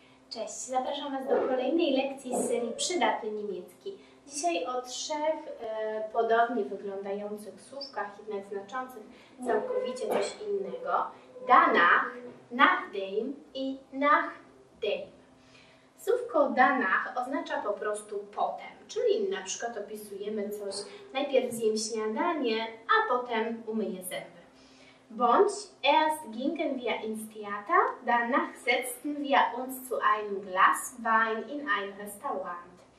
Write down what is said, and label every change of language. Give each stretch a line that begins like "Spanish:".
Polish: Cześć, zapraszam Was do kolejnej lekcji z serii Przydatny niemiecki. Dzisiaj o trzech podobnie wyglądających słówkach, jednak znaczących całkowicie coś innego.
German: Danach, nachdem i nachdem.
Polish: Słówko danach oznacza po prostu potem, czyli na przykład opisujemy coś, najpierw zjem śniadanie, a potem umyję zęby.
German: Bądź erst gingen wir ins Theater, danach setzten wir uns zu einem Glas Wein in ein Restaurant.